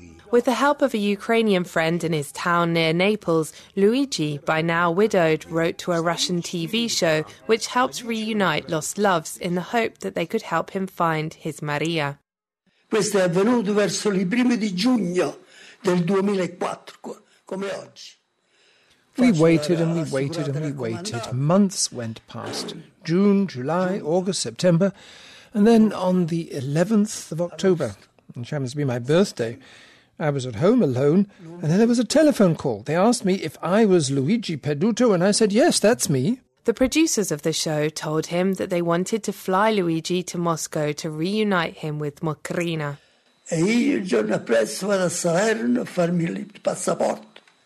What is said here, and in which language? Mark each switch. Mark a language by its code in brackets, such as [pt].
[en] With the help of a Ukrainian friend in his town near Naples, Luigi, by now widowed, wrote to a Russian TV show which helped reunite lost loves in the hope that they could help him find his Maria. [it] Questo è avvenuto verso i primi di giugno del 2004, come oggi. [en] We waited and we waited and we waited. Months went past. June, July, August, September. And then on the 11th of October, which happens to be my birthday, I was at home alone, and then there was a telephone call. They asked me if I was Luigi Peduto, and I said, yes, that's me. The producers of the show told him that they wanted to fly Luigi to Moscow to reunite him with Mokrina. [it] E io il giorno presto vado a Salerno a farmi il passaporto.